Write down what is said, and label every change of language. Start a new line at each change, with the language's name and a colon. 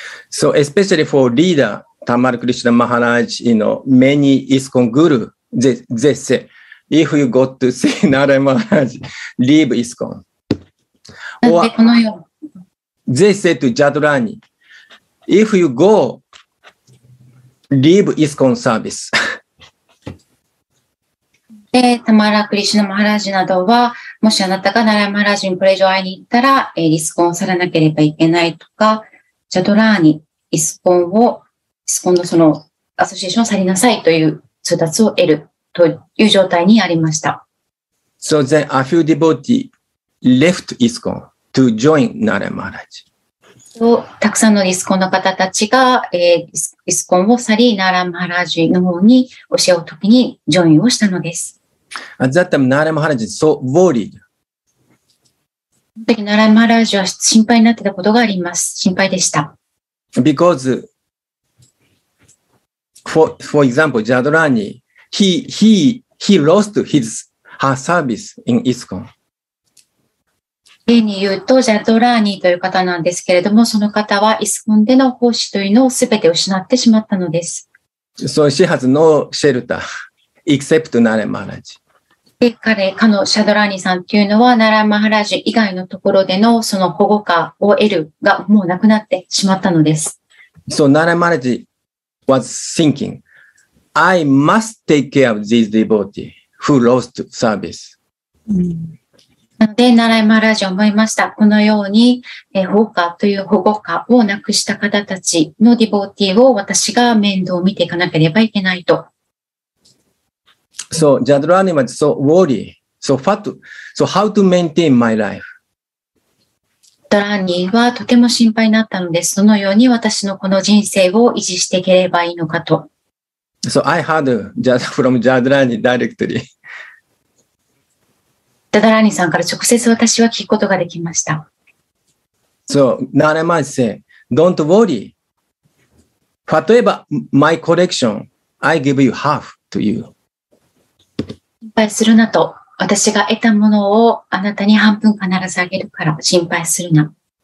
English: So especially for leader, Tamal Krishna Maharaj, you know, many ISKCON guru, they say, if you go to see Narayan Maharaj, leave ISKCON. They said to Jadurani, if you go, leave ISKCON service.
Japanese: で、タマラ・クリシュナ・マハラジなどは、もしあなたがナラヤ・マハラジにこれ以上会いに行ったら、ISKCONを去らなければいけないとか、ジャドラーニ、ISKCONを、ISKCONのそのアソシエーションを去りなさいという通達を得るという状態にありました。
English: So then, a few devotees,Left ISKCON to join Narayan Maharaj.
Japanese: So, たくさんのISKCONの方たちが、ISKCONを去り、Narayan Maharajの方に教えを解きにジョインをしたのです。
English: At that time, Narayan Maharaj is so worried.
Japanese: その時、Narayan Maharajは心配になってたことがあります。心配でした。
English: Because, for example, Jadurani, he lost her service in ISKCON.
Japanese: 例に言うと、ジャドラーニーという方なんですけれども、その方はイスコンでの奉仕というのを全て失ってしまったのです。
English: So she has no shelter, except Narayan Maharaj.
Japanese: で、彼のシャドラーニーさんというのは、Narayan Maharaj以外のところでのその保護下を得るがもうなくなってしまったのです。
English: So Narayan Maharaj was thinking, I must take care of these devotees who lost service.
Japanese: なので、ナライマハラージは思いました。このように、保護家という保護家を亡くした方たちのディボーティーを私が面倒を見ていかなければいけないと。
English: So, Jadrani was so worried. So, what, so how to maintain my life?
Japanese: ドラニーはとても心配になったのです。どのように私のこの人生を維持していければいいのかと。
English: So, I heard from Jadrani directly.
Japanese: ダダラニさんから直接私は聞くことができました。
English: So, Nara Maharaj said, don't worry. Whatever my collection, I give you half to you.
Japanese: 心配するなと、私が得たものをあなたに半分必ずあげるから心配するな。